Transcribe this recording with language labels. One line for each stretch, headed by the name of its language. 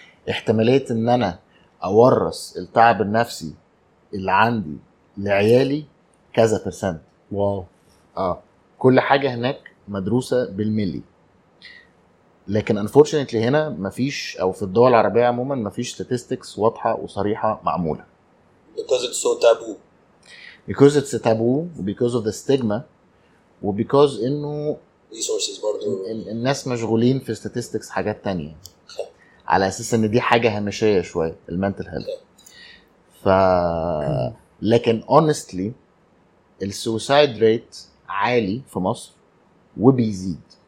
Arabic: احتماليه ان انا اورث التعب النفسي اللي عندي لعيالي كذا بيرسنت. واو. كل حاجه هناك مدروسه بالملي. لكن انفورشنتلي هنا مفيش، او في الدول العربيه عموما مفيش ستاتستكس واضحه وصريحه معموله.
English: Because it's so taboo. Because it's a taboo, because of the stigma, وbecause انه resources برضو
Arabic: الناس مشغولين في statistics حاجات تانية. على اساس ان دي حاجة هامشية شوية المنتل هيلث. ف لكن honestly السوسايد ريت عالي في مصر وبيزيد.